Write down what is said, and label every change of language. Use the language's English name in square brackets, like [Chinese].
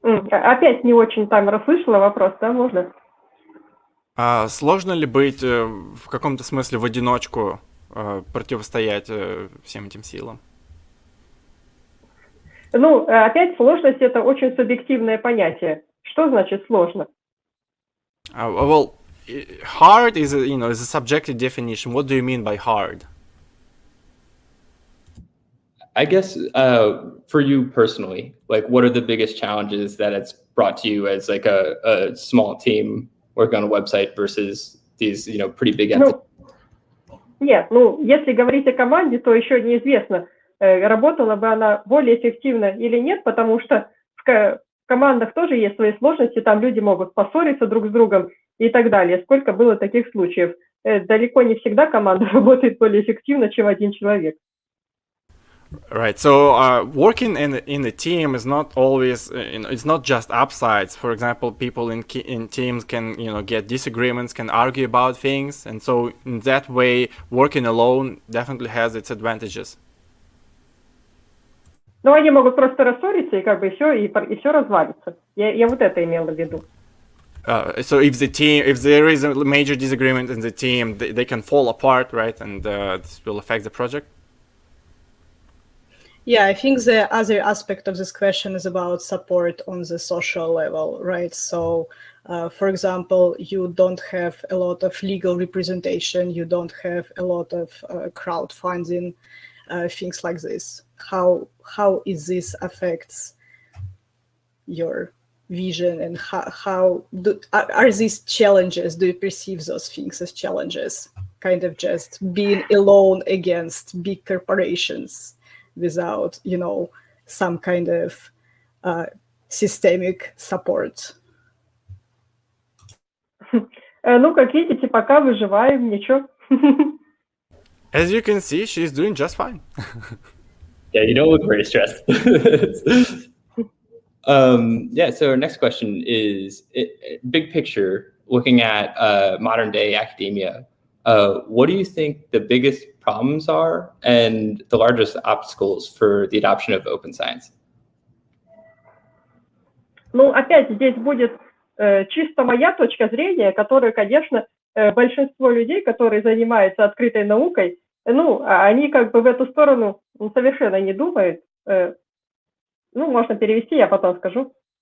[Russian] Опять не очень там расслышала вопрос, да, можно? Сложно ли быть в каком-то смысле в одиночку противостоять всем этим силам? Ну, опять сложность — это очень субъективное понятие. Что значит сложно? [English] Well, hard is, you know, is a subjective definition. What do you mean by hard? I guess for you personally, like, what are the biggest challenges that it's brought to you as like a small team? Work on a website versus these, you know, pretty big entities. [Russian] Нет, ну, если говорить о команде, то еще неизвестно, работала бы она более эффективно или нет, потому что в командах тоже есть свои сложности, там люди могут поссориться друг с другом и так далее. Сколько было таких случаев? Далеко не всегда команда работает более эффективно, чем один человек. [English] Right, so working in a team is not always, you know, it's not just upsides. For example, people in teams can, you know, get disagreements, can argue about things, and so in that way, working alone definitely has its advantages. [Russian] Ну, они могут просто рассориться и как бы все и все развалится. Я вот это имела в виду. [English] So if the team, if there is a major disagreement in the team, they can fall apart, right, and this will affect the project. Yeah, I think the other aspect of this question is about support on the social level, right? So, for example, you don't have a lot of legal representation, you don't have a lot of crowdfunding, things like this. How is this affects your vision and how are these challenges, do you perceive those things as challenges? Kind of just being alone against big corporations? Without, you know, some kind of systemic support. [Russian] Ну, как видите, пока выживаем, ничего. [English] As you can see, she's doing just fine. Yeah, you don't look very stressed. yeah, so our next question is, big picture, looking at modern day academia, what do you think the biggest problems are and the largest obstacles for the adoption of open science? [Russian] Ну, опять здесь будет чисто моя точка зрения, которую, конечно, большинство людей, которые занимаются открытой наукой, ну, они как бы в эту сторону совершенно не думают. Ну, можно перевести, я потом скажу.